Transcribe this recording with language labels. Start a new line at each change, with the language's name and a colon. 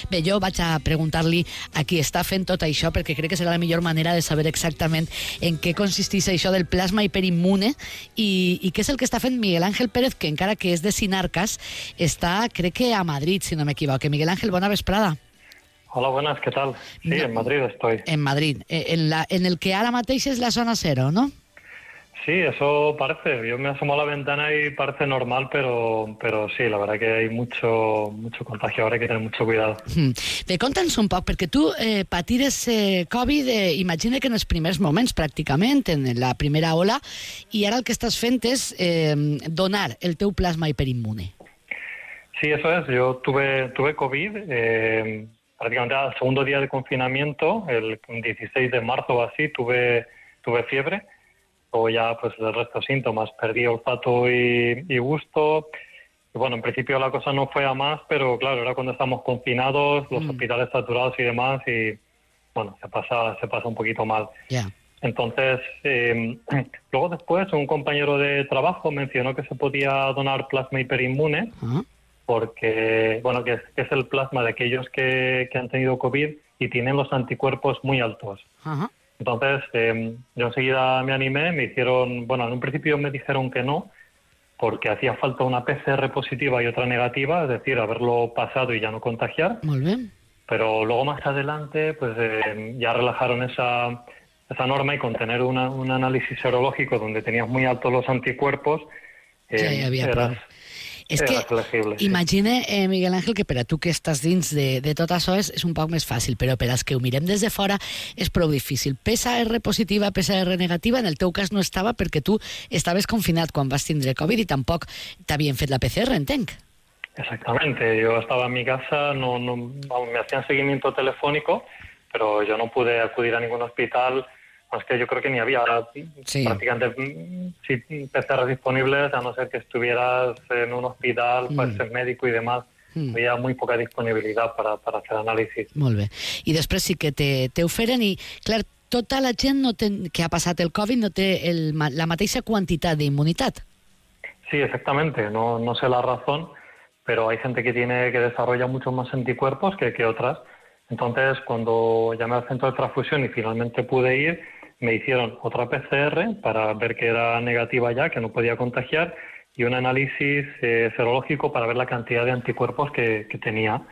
Catalan: Bé, jo vaig a preguntar-li a qui està fent tot això perquè crec que serà la millor manera de saber exactament en què consisteix això del plasma hiperimmune i què és el que està fent Miguel Ángel Pérez, que encara que és de Sinarques, està, crec que a Madrid, si no m'equivoco. Que Miguel Ángel, buena vesprada.
Spanish: Hola, buenas, ¿qué tal? Sí, no, en Madrid estoy. En Madrid, en el que ahora mateix es la zona cero, ¿no? Sí, eso parece. Yo me asomo a la ventana y parece normal, pero sí, la verdad que hay mucho contagio, ahora hay que tener mucho cuidado.
Catalan: Me contens un poc, perquè tu patires Covid, imagina que en els primers moments, pràcticament, en la primera ola, i ara el que estàs fent és donar el teu plasma hiperimmune.
Spanish: Sí, eso es. Yo tuve COVID prácticamente al segundo día de confinamiento, el 16 de marzo o así, tuve fiebre. Luego ya pues el resto de síntomas, perdí olfato y gusto. Y bueno, en principio la cosa no fue a más, pero claro, era cuando estamos confinados, los hospitales saturados y demás, y bueno, se pasa un poquito mal. Yeah. Entonces, luego después un compañero de trabajo mencionó que se podía donar plasma hiperinmune. Uh-huh. Porque, bueno, que es el plasma de aquellos que han tenido COVID y tienen los anticuerpos muy altos. Ajá. Entonces, yo enseguida me animé, me hicieron, bueno, en un principio me dijeron que no, porque hacía falta una PCR positiva y otra negativa, es decir, haberlo pasado y ya no contagiar. Muy bien. Pero luego más adelante, pues ya relajaron esa norma y con tener un análisis serológico donde tenías muy altos los anticuerpos, ya había problemas.
Catalan: És que, imagina, Miguel Ángel, que per a tu que estàs dins de tot això és un poc més fàcil, però per als que ho mirem des de fora és prou difícil. PCR positiva, PCR negativa, en el teu cas no estava perquè tu estaves confinat quan vas tindre Covid i tampoc t'havien fet la PCR, entenc.
Spanish: Exactamente, yo estaba en mi casa, me hacían seguimiento telefónico, pero yo no pude acudir a ningún hospital, más que yo creo que ni había prácticamente PCR disponibles, a no ser que estuvieras en un hospital, para ser médico y demás. Había muy poca disponibilidad para hacer análisis.
Catalan: Molt bé. I després sí que te oferen, i clar, tota la gent no té, que ha passat el Covid no té la mateixa quantitat d'immunitat.
Spanish: Sí, exactamente, no sé la razón, pero hay gente que desarrolla muchos más anticuerpos que otras. Entonces, cuando llamé al centro de transfusión y finalmente pude ir, me hicieron otra PCR para ver que era negativa ya, que no podía contagiar, y un análisis serológico para ver la cantidad de anticuerpos que tenía.